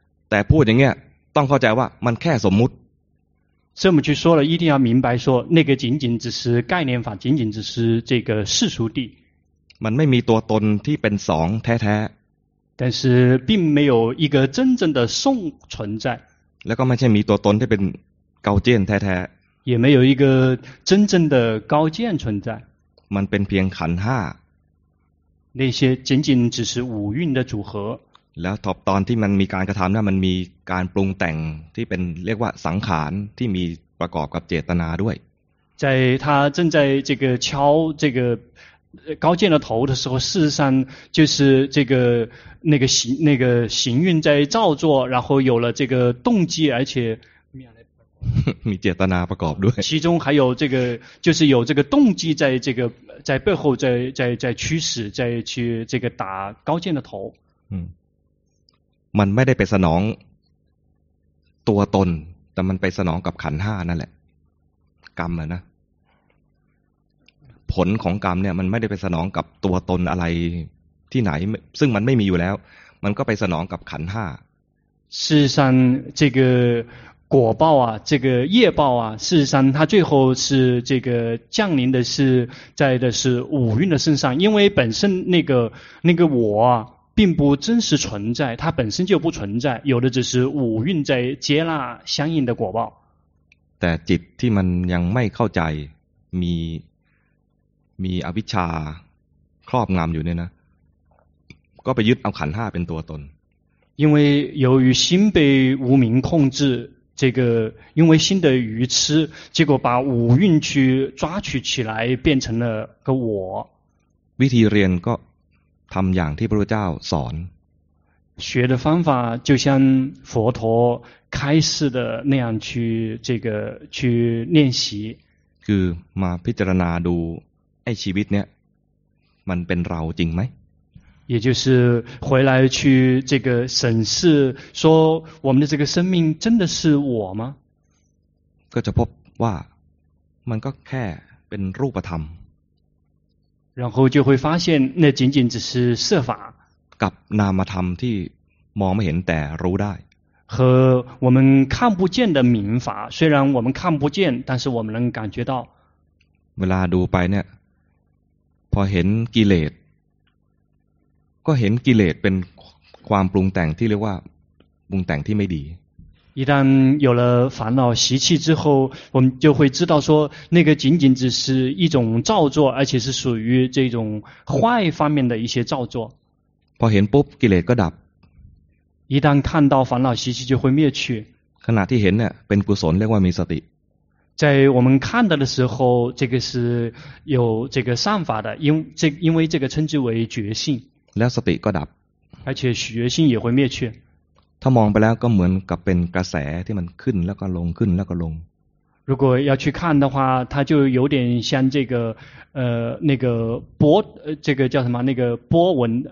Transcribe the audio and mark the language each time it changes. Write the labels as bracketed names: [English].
[Thai] แต่พูดอย่างเงี้ยต้องเข้าใจว่ามันแค่สมมติ [Chinese] 这么去说了一定要明白说那个仅仅只是概念法仅仅只是这个世俗地 [Thai] มันไม่มีตัวตนที่เป็นสองแท้ [Chinese] ๆ但是并没有一个真正的宋存在 [Thai] แล้วก็ไม่ใช่มีตัวตนที่เป็น 高见แท้ [Chinese] ๆ也没有一个真正的高见存在 [Thai] มันเป็นเพียงขันห้า [Chinese] 那些仅仅只是五蕴的组合 [Thai] แล้วตอนที่มันมีการกระทำนั้นมันมีการปรุงแต่งที่เป็นเรียกว่าสังขารที่มีประกอบกับเจตนาด้วย [Chinese] 在他正在这个敲这个高见的头的时候，事实上就是这个那个行那个行运在造作，然后有了这个动机，而且 [Thai] มีเจตนาประกอบด้วย [Chinese] 其中还有这个就是有这个动机在这个在背后在驱使在去这个打高见的头。 [Thai] มันไม่ได้ไปสนองตัวตนแต่มันไปสนองกับขันห้านั่นแหละกรรมนะผลของกรรมเนี่ยมันไม่ได้ไปสนองกับตัวตนอะไรที่ไหนซึ่งมันไม่มีอยู่แล้วมันก็ไปสนองกับขันห้า [Chinese] 事实上这个果报啊这个业报啊事实上它最后是这个降临的是在的是五蕴的身上因为本身那个我啊并不真实存在它本身就不存在有的只是五蕴在接纳相应的果报 [Thai] แต่จิตที่มันยังไม่เข้าใจมีอวิชชาครอบงำอยู่เนี่ยนะก็ไปยึดเอาขันธ์5เป็นตัวตน [Chinese] 因为由于心被无明控制这个因为心的愚痴结果把五蕴去抓取起来变成了个我 [Thai] วิธีเรียนก็ทำอย่างที่พระพุทธเจ้าสอน [Chinese] 学的方法就像佛陀开示的那样去这个去练习 [Thai] คือมาพิจารณาดูไอ้ชีวิตเนี้ยมันเป็นเราจริงไหม [Chinese] 也就是回来去这个审视说我们的这个生命真的是我吗 [Thai] ก็จะพบว่ามันก็แค่เป็นรูปธรรม [Chinese] 然后就会发现那仅仅只是色法 [Thai] กับนามธรรมที่มองไม่เห็นแต่รู้ได้ [Chinese] 和我们看不见的明法虽然我们看不见但是我们能感觉到 [Thai] เวลาดูไปเนี่ยพอเห็นกิเลสก็เห็นกิเลสเป็นความปรุงแต่งที่เรียกว่าปรุงแต่งที่ไม่ดี [Chinese] 一旦有了烦恼习气之后我们就会知道说那个仅仅只是一种造作而且是属于这种坏方面的一些造作 [Thai] พอเห็นปุ๊บกิเลสก็ดับ [Chinese] 一旦看到烦恼习气就会灭去 [Thai] ขณะที่เห็นเนี่ยเป็นกุศลเรียกว่ามีสติ [Chinese] 在我们看到的时候这个是有这个善法的因为这个称之为觉性 [Thai] แล้วสติก็ดับ [Chinese] 而且觉性也会灭去 [Thai] ถ้ามองไปแล้วก็เหมือนกับเป็นกระแสที่มันขึ้นแล้วก็ลงขึ้นแล้วก็ลง [Chinese] 如果要去看的话它就有点像这个那个波这个叫什么那个波纹